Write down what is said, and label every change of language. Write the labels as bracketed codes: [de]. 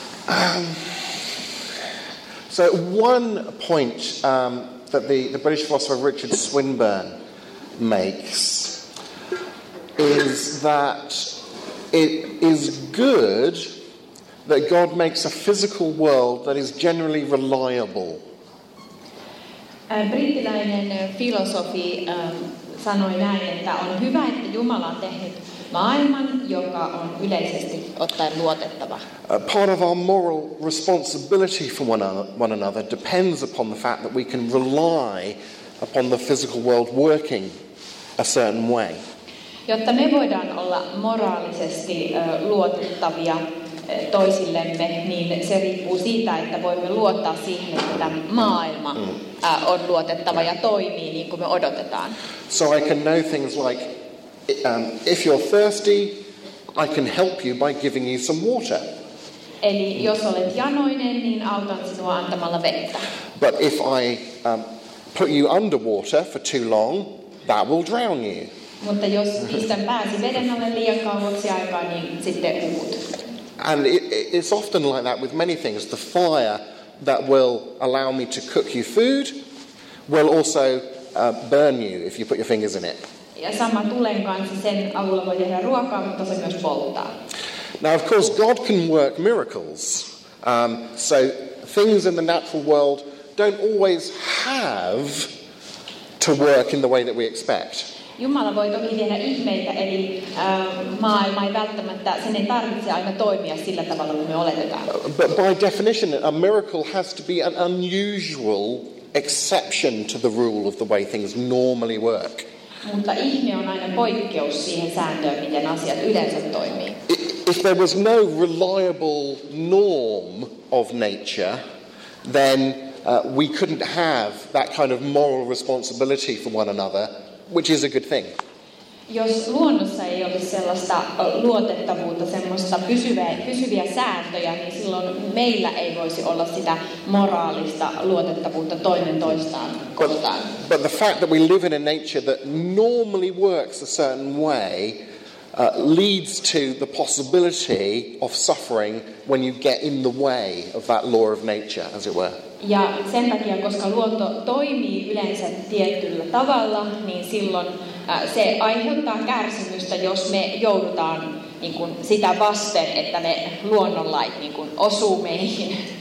[en] So one point that the British philosopher Richard Swinburne makes is that it is good that God makes a physical world that is generally reliable. [fi] Brittiläinen filosofi sanoi näin, että on hyvä, että Jumala on tehnyt maailman, joka on yleisesti ottaen luotettava. [en] Part of our moral responsibility for one another depends upon the fact that we can rely upon the physical world working a certain way. [fi] Jotta me voidaan olla moraalisesti luotettavia toisillemme, niin se riippuu siitä, että voimme luottaa siihen, että maailma on luotettava ja toimii niin kuin me odotetaan. [en] So I can know things like, if you're thirsty, I can help you by giving you some water. [fi] Eli jos olet janoinen, niin autan sinua antamalla vettä. [en] But if I put you underwater for too long, that will drown you. [fi] Mutta jos pistän pääsi veden alle liian kauaksi aikaa, niin sitten uut. [en] And it's often like that with many things. The fire that will allow me to cook you food will also burn you if you put your fingers in it. [fi] Ja sama tulen kanssa, sen avulla voi tehdä ruokaa, mutta se myös polttaa. [en] Now of course God can work miracles. So things in the natural world don't always have to work in the way that we expect. [fi] Jumala voi toki tehdä ihmeitä, eli maailma ei välttämättä, sen ei tarvitse aina toimia sillä tavalla, kuin me oletetaan. [en] But by definition, a miracle has to be an unusual exception to the rule of the way things normally work. [fi] Mutta ihme on aina poikkeus siihen sääntöön, miten asiat yleensä toimii. [en] If there was no reliable norm of nature, then we couldn't have that kind of moral responsibility for one another, which is a good thing. [fi] Jos luonnossa ei olisi sellaista luotettavuutta, semmoista pysyviä sääntöjä, niin silloin meillä ei voisi olla sitä moraalista luotettavuutta toinen toistaan kohtaan. [en] But the fact that we live in a nature that normally works a certain way leads to the possibility of suffering when you get in the way of that law of nature, as it were. [fi] Ja sen takia, koska luonto toimii yleensä tietyllä tavalla, niin silloin se aiheuttaa kärsimystä, jos me joudutaan niin kuin sitä vasten, että ne luonnonlait niin kuin osuu meihin.